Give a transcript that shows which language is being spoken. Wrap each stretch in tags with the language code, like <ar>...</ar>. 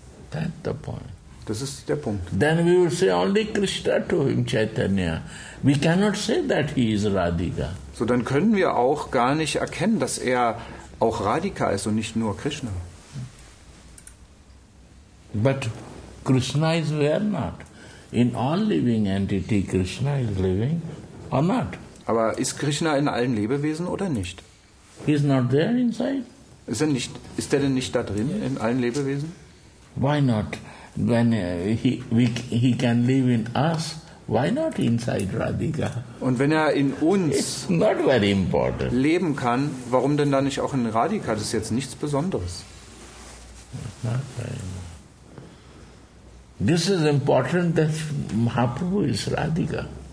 <en>That's the point.</en> <de>Das ist der Punkt.</de> <en>Then we will say only Krishna to him, Chaitanya. We cannot say that he is Radhika.</en> <de>So, dann können wir auch gar nicht erkennen, dass er auch Radhika ist und nicht nur Krishna.</de> <en>But Krishna is where not? In all living entity, Krishna is living or not?</en> <de>Aber ist Krishna in allen Lebewesen oder nicht?</de> <en>He is not there inside.</en> <de>Ist er denn nicht da drin, yes, in allen Lebewesen?</de> <en>Why not? When he can live in us, why not inside Radhika?</en> <de>Und wenn er in uns</de> <en>not very important</en> <de>leben kann, warum denn dann nicht auch in Radhika? Das ist jetzt nichts Besonderes.</de> <en>Not very this is important that Mahaprabhu is Radhika.</en>